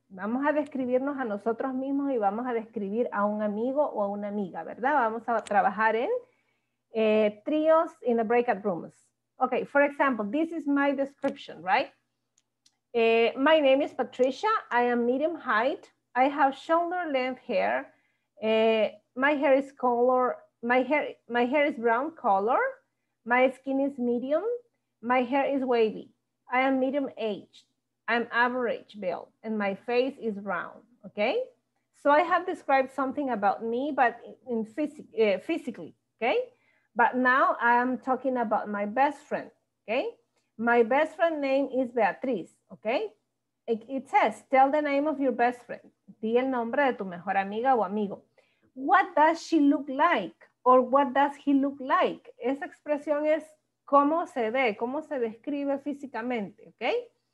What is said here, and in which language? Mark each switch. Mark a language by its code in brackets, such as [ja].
[es] Vamos a describirnos a nosotros mismos y vamos a describir a un amigo o a una amiga, ¿verdad? Vamos a trabajar en trios [en] in the breakout rooms. Okay, for example, this is my description, right? My name is Patricia. I am medium height. I have shoulder length hair. My hair is brown color. My skin is medium. My hair is wavy. I am medium age. I'm average build and my face is round, okay? So I have described something about me, but in physically, okay? But now I'm talking about my best friend, okay? My best friend name is Beatriz, okay? It says, tell the name of your best friend. [es] Di el nombre de tu mejor amiga o amigo. [en] What does she look like? Or what does he look like? [es] Esa expresión es cómo se ve, cómo se describe físicamente, okay?